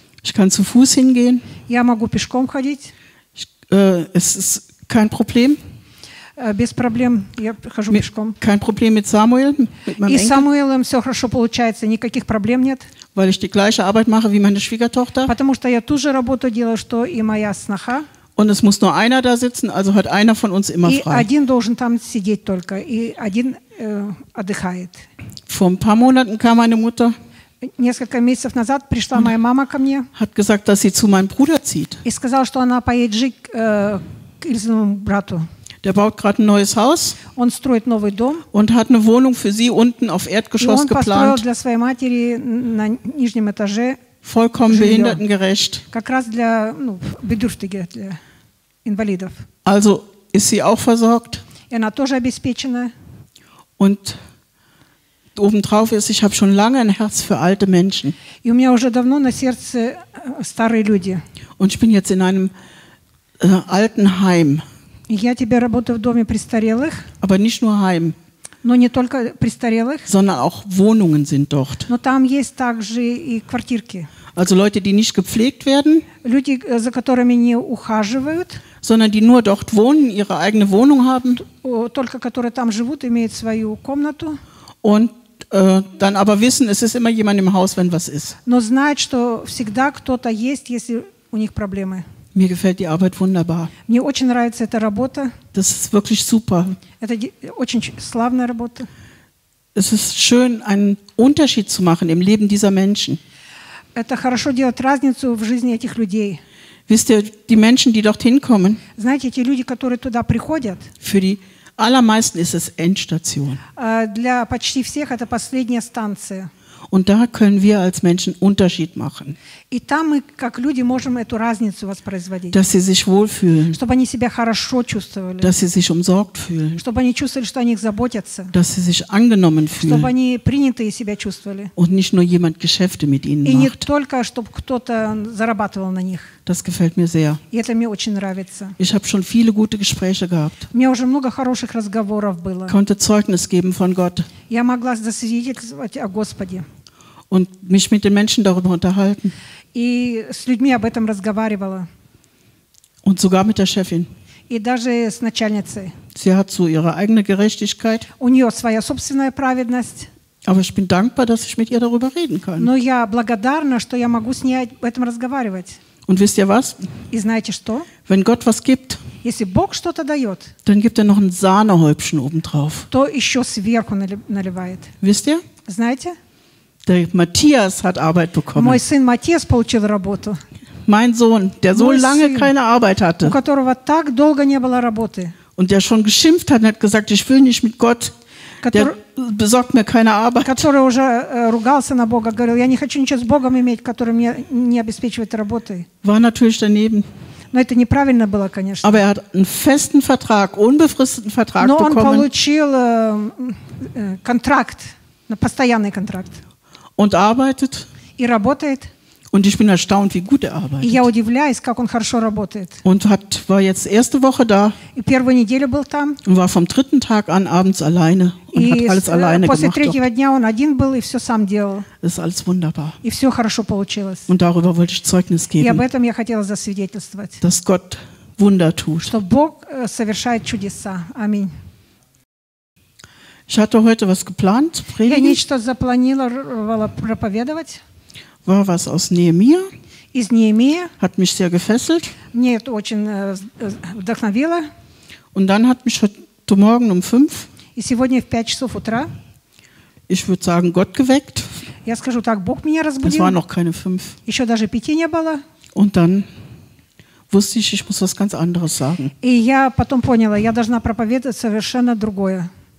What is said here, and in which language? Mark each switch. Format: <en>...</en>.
<de>Ich kann zu Fuß hingehen.</de> <ru>Я могу пешком ходить.</ru> <de>Es ist kein Problem.</de> <ru>Без проблем. Я хожу пешком.</ru> <de>Kein Problem mit Samuel.</de> <ru>И с Самуэлем все хорошо получается. Никаких проблем нет.</ru> <de>Weil ich die gleiche Arbeit mache wie meine Schwiegertochter.</de> <ru>Потому что я ту же работу делаю, что и моя сноха.</ru> <de>Und es muss nur einer da sitzen, also hat einer von uns immer frei.</de> <ru>И один должен там сидеть только, и один отдыхает.</ru> <de>Vor ein paar Monaten kam meine Mutter.</de> <ru>Несколько месяцев назад пришла моя мама ко мне.</ru> <de>Hat gesagt, dass sie zu meinem Bruder zieht.</de> <ru>И сказала, что она поедет жить к Ильзиному брату.</ru> <de>Der baut gerade ein neues Haus.</de> <ru>Он строит новый дом.</ru> <de>Und hat eine Wohnung für sie unten auf Erdgeschoss geplant.</de> <ru>Он построил для своей матери на нижнем этаже.</ru> <de>Vollkommen жилье. Behindertengerecht.</de> <ru>Как раз для бедürftige, для инвалидов.</ru> <de>Also ist sie auch versorgt.</de> <ru>И она тоже обеспечена.</ru> <de>Und obendrauf ist, ich habe schon lange ein Herz für alte Menschen.</de> <ru>И у меня уже давно на сердце старые люди.</ru> <de>Und ich bin jetzt in einem Altenheim.</de> <ru>Я теперь работаю в доме престарелых.</ru> <de>Aber nicht nur Heim.</de> <ru>Но не только престарелых.</ru> <de>Sondern auch Wohnungen sind dort.</de> <ru>Но там есть также и квартирки.</ru> <de>Also Leute, die nicht gepflegt werden.</de> <ru>Люди, за которыми не ухаживают.</ru> <de>Sondern die nur dort wohnen, ihre eigene Wohnung haben.</de> <ru>Только которые там живут, имеют свою комнату.</ru> <de>Und dann aber wissen, es ist immer jemand im Haus, wenn was ist.</de> <ru>Но знать, что всегда кто-то есть, если у них проблемы.</ru> <de>Mir gefällt die Arbeit wunderbar.</de> <ru>Мне очень нравится эта работа.</ru> <de>Das ist wirklich super.</de> <ru>Это очень славная работа.</ru> <de>Es ist schön, einen Unterschied zu machen im Leben dieser Menschen.</de> <ru>Это хорошо делать разницу в жизни этих людей.</ru> <de>Wisst ihr, die Menschen, die dorthin kommen?</de> <ru>Знаете, эти люди, которые туда приходят?</ru> <de>Für die allermeisten ist es Endstation.</de> <ru>Для почти всех это последняя станция.</ru> <de>Und da können wir als Menschen Unterschied machen.</de> <ru>И там мы как люди можем эту разницу воспроизводить.</ru> <de>Dass sie sich wohlfühlen.</de> <ru>Чтобы они себя хорошо чувствовали.</ru> <de>Dass sie sich umsorgt fühlen.</de> <ru>Чтобы они чувствовали, что о них заботятся.</ru> <de>Dass sie sich angenommen fühlen.</de> <ru>Чтобы они принятые себя чувствовали.</ru> <de>Und nicht nur jemand Geschäfte mit ihnen</de> <ru>И</ru> <de>macht.</de> <ru>И не только чтобы кто-то зарабатывал на них.</ru> <de>Das gefällt mir sehr.</de> <ru>И это мне очень нравится.</ru> <de>Ich habe schon viele gute Gespräche gehabt.</de> <ru>У меня уже много хороших разговоров было.</ru> <de>Konnte Zeugnis geben von Gott.</de> <ru>Я могла засвидетельствовать о Господе.</ru> <de>Und mich mit den Menschen darüber unterhalten.</de> <ru>И с людьми об этом разговаривала.</ru> <de>Und sogar mit der Chefin.</de> <ru>И даже с начальницей.</ru> <de>Sie hat so ihre eigene Gerechtigkeit.</de> <ru>У нее своя собственная праведность.</ru> <de>Aber ich bin dankbar, dass ich mit ihr darüber reden kann.</de> <ru>Но я благодарна, что я могу с ней об этом разговаривать.</ru> <de>Und wisst ihr was?</de> <ru>И знаете что?</ru> <de>Wenn Gott was gibt,</de> <ru>если Бог что-то дает,</ru> <de>dann gibt er noch ein Sahnehäubchen obendrauf.</de> <ru>То еще сверху наливает.</ru> <de>Wisst ihr?</de> <ru>Знаете?</ru> <de>Der Matthias hat Arbeit bekommen.</de> <ru>Мой сын Матиас получил работу.</ru> <de>Mein Sohn, der so lange keine Arbeit hatte.</de> <ru>У которого так долго не было работы.</ru> <de>Und der schon geschimpft hat, und hat gesagt, ich will nicht mit Gott. Der besorgt mir keine Arbeit.</de> <ru>Который уже ругался на Бога, говорил, я не хочу ничего с Богом иметь, который мне не обеспечивает работы.</ru> <de>War natürlich daneben.</de> <ru>Но это неправильно было, конечно.</ru> <de>Aber er hat einen festen Vertrag, unbefristeten Vertrag</de> <ru>Но</ru> <de>bekommen.</de> <ru>Но он получил контракт, постоянный контракт.</ru> <de>Und arbeitet.</de> <ru>И работает.</ru> <de>Und ich bin erstaunt, wie gut er arbeitet.</de> <ru>Я удивляюсь, как он хорошо работает.</ru> <de>Und war jetzt erste Woche da.</de> <ru>И первую неделю был там.</ru> <de>Und war vom dritten Tag an abends alleine. Und hat alles alleine</de> <ru>после</ru> <de>gemacht.</de> <ru>После третьего dня он один был и все сам делал.</ru> <de>Ist alles wunderbar.</de> <ru>И все хорошо получилось.</ru> <de>Und darüber wollte ich Zeugnis geben.</de> <ru>И об этом я хотела засвидетельствовать.</ru> <de>Dass Gott Wunder tut.</de> <ru>Что Бог совершает чудеса. Аминь.</ru> <de>Ich hatte heute was geplant,</de> <ru>predigen. Я нечто запланировала проповедовать.</ru> <de>War was aus Nehemia?</de> <ru>Из Неемия.</ru> <de>Hat mich sehr gefesselt.</de> <ru>Мне это очень вдохновило.</ru> <de>Und dann hat mich heute Morgen um 5.</de> <ru>И сегодня в 5 часов утра.</ru> <de>Ich würde sagen, Gott geweckt.</de> <ru>Я скажу так, Бог меня разбудил.</ru> <de>Es war noch keine 5.</de> <ru>Еще даже 5 не было.</ru> <de>Und dann wusste ich, ich muss was ganz anderes sagen.</de> <ru>И я потом поняла, я должна проповедовать совершенно другое.</ru>